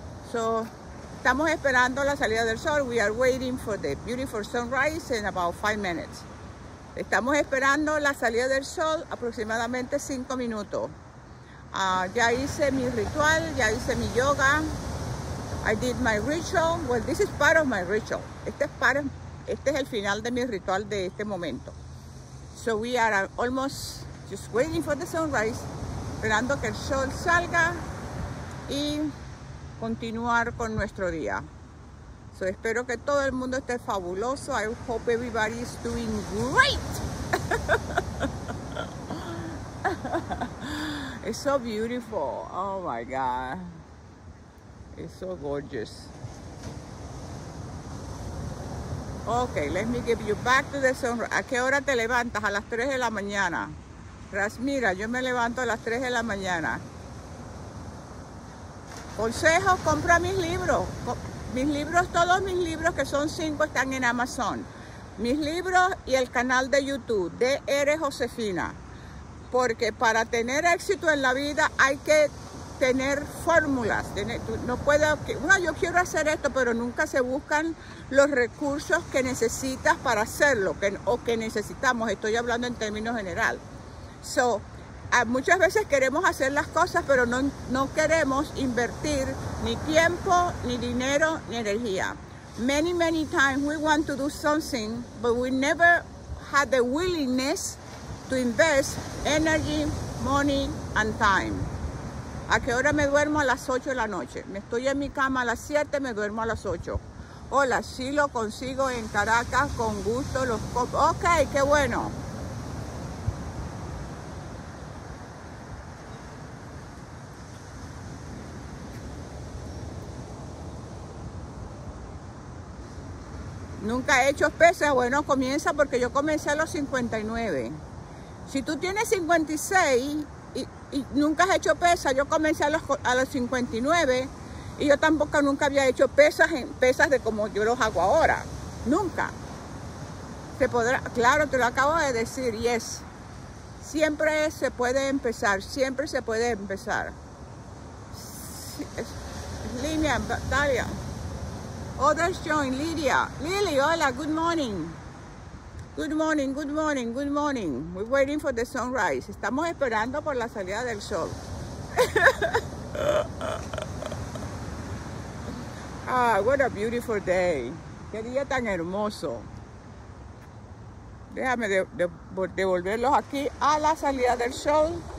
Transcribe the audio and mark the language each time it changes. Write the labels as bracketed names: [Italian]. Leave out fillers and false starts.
[English] So, [Spanish] estamos esperando la salida del sol. [English] We are waiting for the beautiful sunrise in about 5 minutes. [Spanish] Estamos esperando la salida del sol aproximadamente 5 minutos. Ya hice mi ritual, ya hice mi yoga. [English] I did my ritual. Well, this is part of my ritual. [Spanish] Este es el final de mi ritual de este momento. [English] So we are almost just waiting for the sunrise, [Spanish] esperando que el sol salga y continuar con nuestro día. So espero que todo el mundo esté fabuloso. [English] I hope everybody is doing great. It's so beautiful. Oh my God. It's so gorgeous. Okay, let me give you back to the sunrise. [Spanish] ¿A qué hora te levantas? A las 3 de la mañana. Rasmira, yo me levanto a las 3 de la mañana. Consejo, compra mis libros. Mis libros, todos mis libros, que son 5, están en Amazon. Mis libros y el canal de YouTube, DR Josefina. Porque para tener éxito en la vida hay que tener fórmulas. No puede, bueno, yo quiero hacer esto, pero nunca se buscan los recursos que necesitas para hacerlo, que necesitamos. Estoy hablando en términos general. So, muchas veces queremos hacer las cosas, pero no queremos invertir ni tiempo, ni dinero, ni energía. [English] Many, many times we want to do something, but we never had the willingness to invest energy, money, and time. [Spanish] ¿A qué hora me duermo? A las 8 de la noche. Me estoy en mi cama a las 7, me duermo a las 8. Hola, sí lo consigo en Caracas, con gusto. Ok, qué bueno. Nunca he hecho pesas. Bueno, comienza, porque yo comencé a los 59. Si tú tienes 56 y nunca has hecho pesas, yo comencé a los 59 y yo tampoco nunca había hecho pesas de como yo los hago ahora. Nunca. Se podrá, claro, te lo acabo de decir, y es, siempre se puede empezar, siempre se puede empezar. [English] Línea, Natalia. Others join, Lydia. Lily, hola, good morning. Good morning, good morning, good morning. We're waiting for the sunrise. [Spanish] Estamos esperando por la salida del sol. [English] Ah, what a beautiful day. [Spanish] Qué día tan hermoso. Déjame devolverlos aquí a la salida del sol.